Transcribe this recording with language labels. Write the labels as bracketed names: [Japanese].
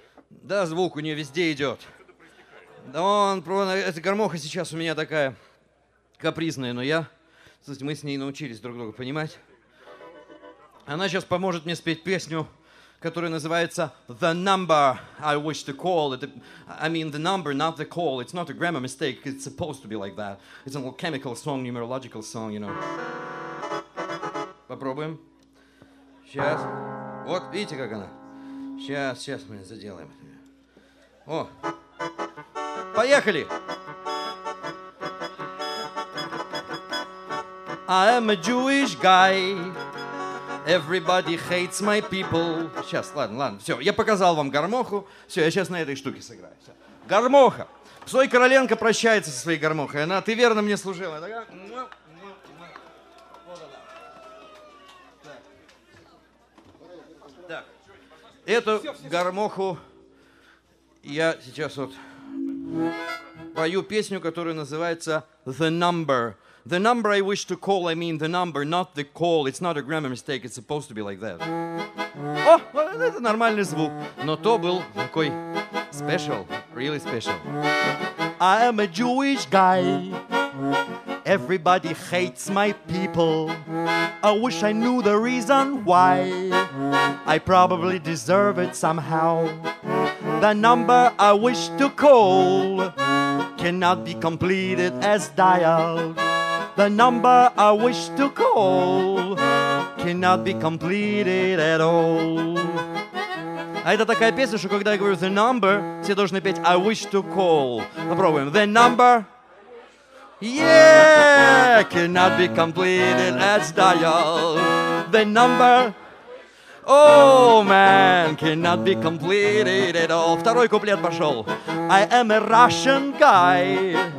[Russian] Да, звук у нее везде идет. Да он, эта гармоха сейчас у меня такая капризная, но я... Слушайте, мы с ней научились друг друга понимать. Она сейчас поможет мне спеть песню, которая называется [English] «The number I wish to call». It. I mean, the number, not the call. It's not a grammar mistake. It's supposed to be like that. It's an alchemical song, numerological song, you know. [Russian] Попробуем. Сейчас. Вот, видите, как она? Сейчас мы заделаем. О! Поехали! [English] I am a Jewish guy. Everybody hates my people. [Russian] Сейчас, ладно, все, я показал вам гармоху. Все, я сейчас на этой штуке сыграю. Все. Гармоха! Псой Короленко прощается со своей гармохой. Она, ты верно мне служила. Эту гармоху я сейчас вот пою песню, которая называется [English] «The Number». «The number I wish to call» — I mean «the number», not «the call». It's not a grammar mistake, it's supposed to be like that. [Russian] О, это нормальный звук, но то был такой [English] special, really special. I am a Jewish guy. Everybody hates my people. I wish I knew the reason why. I probably deserve it somehow. The number I wish to call cannot be completed as dialed. The number I wish to call cannot be completed at all. [Russian] А это такая песня, что когда я говорю [English] the number, [Russian] все должны петь [English] I wish to call. [Russian] Попробуем. [English] The number. Yeah, cannot be completed as dialed. The number, oh man, cannot be completed at all. [Russian] Второй куплет пошел. [English] I am a Russian guy.